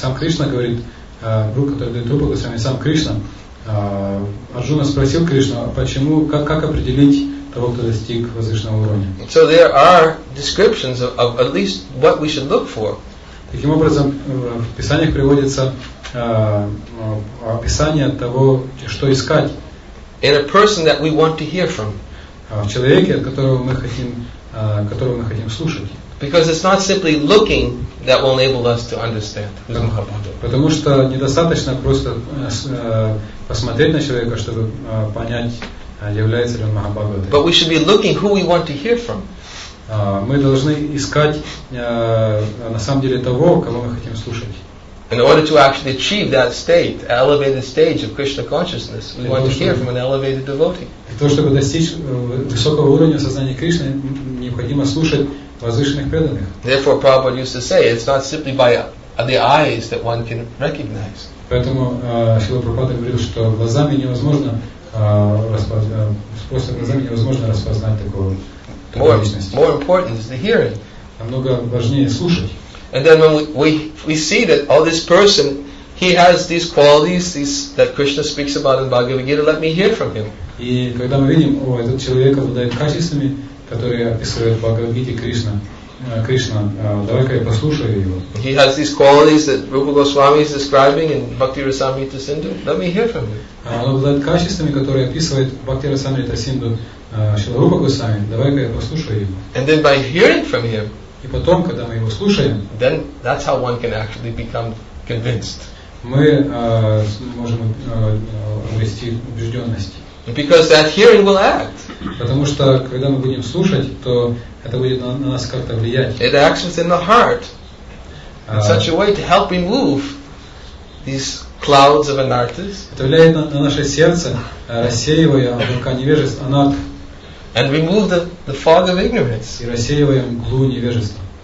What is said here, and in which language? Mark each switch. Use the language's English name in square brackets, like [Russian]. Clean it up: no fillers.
[Russian] Сам Кришна говорит, Рупа, который дает Рупа Госвами, сам Кришна. Арджуна спросил Кришну, почему, как определить того, кто достиг возвышенного уровня. [English] So there are descriptions of at least what we should look for. [Russian] Таким образом, в Писаниях приводится описание того, что искать. [English] In a person that we want to hear from. [Russian] В человеке, от которого мы хотим слушать. [English] Because it's not simply looking that will enable us to understand who's Mahaprabhu. [Russian] Потому что недостаточно просто посмотреть на человека, чтобы понять, является ли он Махабхагавад. [English] But we should be looking who we want to hear from. [Russian] Мы должны искать на самом деле того, кого мы хотим слушать. [English] In order to actually achieve that state, elevated stage of Krishna consciousness, we want to hear from an elevated devotee. [Russian] Для того, чтобы достичь высокого уровня сознания Кришны, необходимо слушать возвышенных преданных. [English] Therefore, Prabhupada used to say, it's not simply by the eyes that one can recognize. [Russian] Поэтому Шрила Прабхупада говорил, что глазами невозможно распознать такого личности. [English] More important is the hearing. [Russian] Намного важнее слушать. [English] And then when we see that all this person, he has these qualities, these that Krishna speaks about in Bhagavad Gita, let me hear from him. [Russian] И когда мы видим, о, этот человек обладает качествами, которые описывает Бхагавад-гите Кришна, Кришна, давай-ка я послушаю его. [English] He has these qualities that Rupa Goswami is describing in Bhakti Rasamrita Sindhu. Let me hear from him. [Russian] Он обладает качествами, которые описывает Бхакти Расамрита Синду Шрила Рупа Госвами. Давай-ка я послушаю его. [English] And then by hearing from him, [Russian] и потом, когда мы его слушаем, [English] then that's how one can actually become convinced. [Russian] Мы можем обрести убежденность. [English] Because that hearing will act. [Russian] Потому что когда мы будем слушать, то это будет на нас как-то влиять. [English] It acts within the heart in such a way to help remove these clouds of anarthas. [Russian] Это влияет на наше сердце, рассеивая облака невежества, анартх. [English] And remove the fog of ignorance. [Russian] И рассеивая мглу невежества.